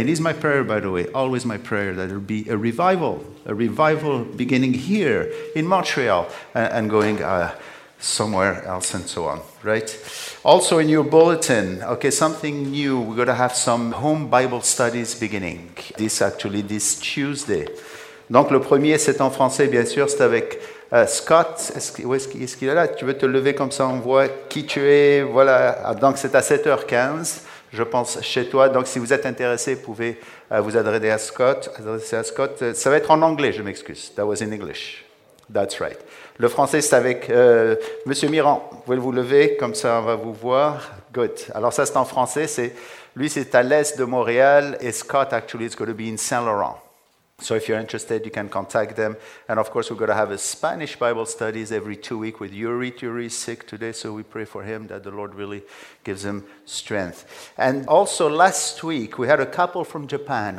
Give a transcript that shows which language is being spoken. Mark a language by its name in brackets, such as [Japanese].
[English] And it is my prayer, by the way, always my prayer, that there'll be a revival beginning here in Montreal and going somewhere else and so on, right? Also in your bulletin, okay, something new. We're going to have some home Bible studies beginning. This Tuesday. [French] Donc le premier, c'est en français, bien sûr, c'est avec... Scott, est-ce qu'il est là? Tu veux te lever comme ça, on voit qui tu es. Voilà, donc c'est à 7h15, je pense, chez toi. Donc si vous êtes intéressé, vous pouvez vous adresser à Scott. Ça va être en anglais, je m'excuse. [English] That was in English. That's right. [French] Le français, c'est avec Monsieur Mirand. Pouvez-vous lever, comme ça on va vous voir. Good. Alors ça, c'est en français. Lui, c'est à l'est de Montréal, et Scott, [English] actually, is going to be in [French] Saint-Laurent. [English] So if you're interested, you can contact them. And of course, we're going to have a Spanish Bible studies every 2 weeks with Yuri. Yuri is sick today, so we pray for him that the Lord really gives him strength. And also last week, we had a couple from Japan.